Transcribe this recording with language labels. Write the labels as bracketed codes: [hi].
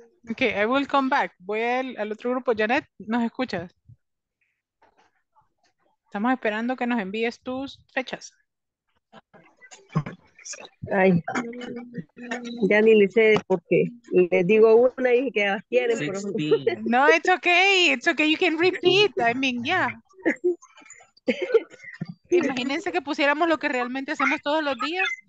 [en] Okay, I will come back. [es] Voy al otro grupo. Janet, ¿nos escuchas? Estamos esperando que nos envíes tus fechas. Ay, ya ni le sé porque le digo una y que las quieren. Pero... [en] No, it's okay, you can repeat, I mean, yeah. [es] Imagínense que pusiéramos lo que realmente hacemos todos los días.